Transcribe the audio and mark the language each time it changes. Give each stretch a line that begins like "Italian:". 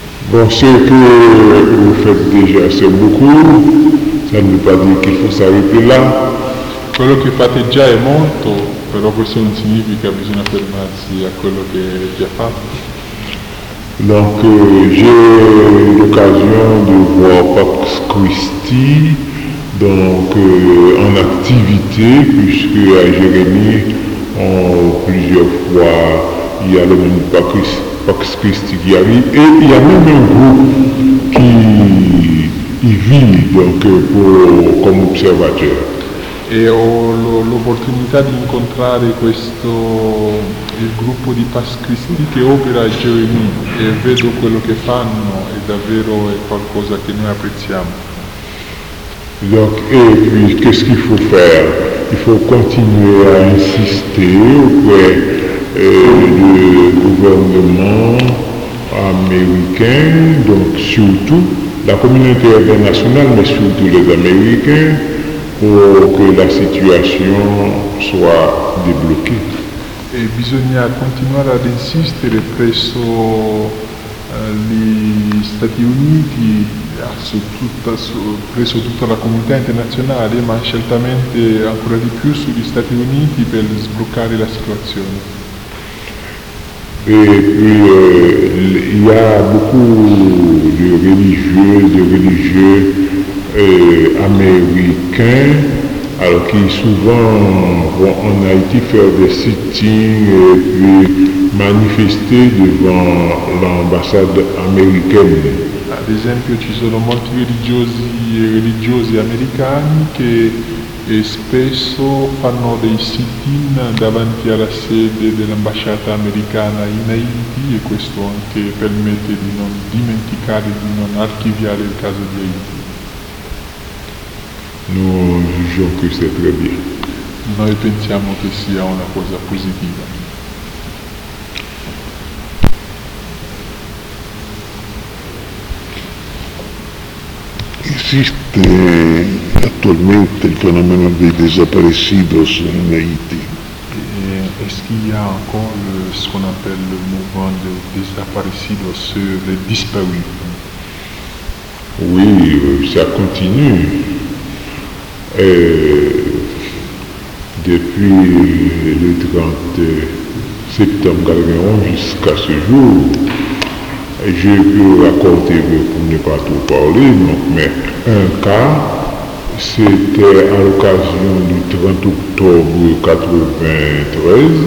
French: Bon, ce que vous faites déjà, c'est beaucoup. Ça ne veut pas dire qu'il faut s'arrêter là.
Italian: Quello che fate già è molto, però questo non significa che bisogna fermarsi a quello che è già fatto.
French: Donc, j'ai eu l'occasion de voir Pape Christie, donc en activité, puisque à Jérémie, plusieurs fois, il y a le même Pape Christie. Et il y a même un groupe qui y vit donc comme observateur. Et j'ai l'opportunité de rencontrer le groupe de Pape Christie qui opère à Jérémie et je vois ce qu'ils font et davvero c'est quelque chose que nous apprécions. Donc, et puis, qu'est-ce qu'il faut faire? Il faut continuer à insister auprès le gouvernement américain, donc surtout la communauté internationale, mais surtout les Américains, pour que la situation soit débloquée.
Italian: Et bisogna continuare ad insistere presso gli Stati Uniti, presso tutta la comunità internazionale, ma certamente ancora di più sugli Stati Uniti per sbloccare la situazione.
French: Et puis il y a beaucoup de religieuses et religieux américains alors, qui souvent vont en Haïti faire des sittings et puis manifester devant l'ambassade américaine.
Italian: Ad esempio, ci sono molti religiosi e religiose americani che e spesso fanno dei sit-in davanti alla sede dell'ambasciata americana in Haiti e questo anche permette di non dimenticare, di non archiviare il caso di Haiti. Noi pensiamo che sia una cosa positiva. Esiste attualmente il fenomeno dei desaparecidos in Haiti?
French: Est-ce qu'il y a encore ce qu'on appelle le mouvement des desaparecidos sur les disparus? Oui, ça continue. Et depuis le 30 septembre 1991 jusqu'à ce jour, j'ai pu raconter, pour ne pas trop parler, mais un cas, c'était à l'occasion du 30 octobre 1993.